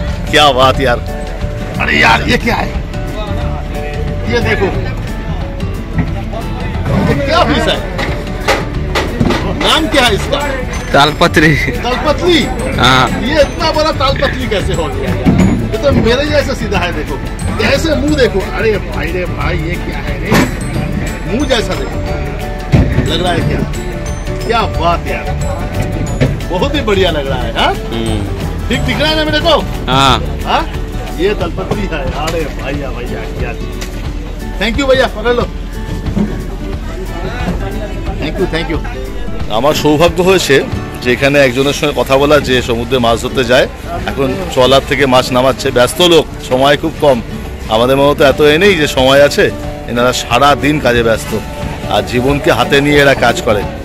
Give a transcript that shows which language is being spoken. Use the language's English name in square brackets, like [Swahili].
[Hindi] ক্যা বাত ইয়ার, আরে ইয়ার ইয়ে ক্যা হ্যায়, ইয়ে দেখো ক্যা ফিশ হ্যায়, নাম ক্যা হ্যায় ইসকা? तालपत्री। तालपत्री हाँ, ये इतना बड़ा तालपत्री कैसे हो गया? ये तो मेरे जैसा सीधा है, देखो कैसे मुंह देखो, अरे भाई रे भाई, ये क्या है रे, मुंह जैसा देखो लग रहा है, क्या क्या बात यार, बहुत ही बढ़िया लग रहा है। हाँ ठीक दिख रहा है ना मेरे को? हाँ ये तालपत्री है, अरे भैया भैया क्या, [English] thank you [Hindi] भैया, पकड़ लो, थैंक यू थैंक यू। [Bangla] আমার সৌভাগ্য হয়েছে যেখানে একজনের সঙ্গে কথা বলা যে সমুদ্রে মাছ ধরতে যায়, এখন ট্রলার থেকে মাছ নামাচ্ছে, ব্যস্ত লোক, সময় খুব কম। আমাদের মতো এত এ নেই যে সময় আছে, এনারা সারা দিন কাজে ব্যস্ত আর জীবনকে হাতে নিয়ে এরা কাজ করে।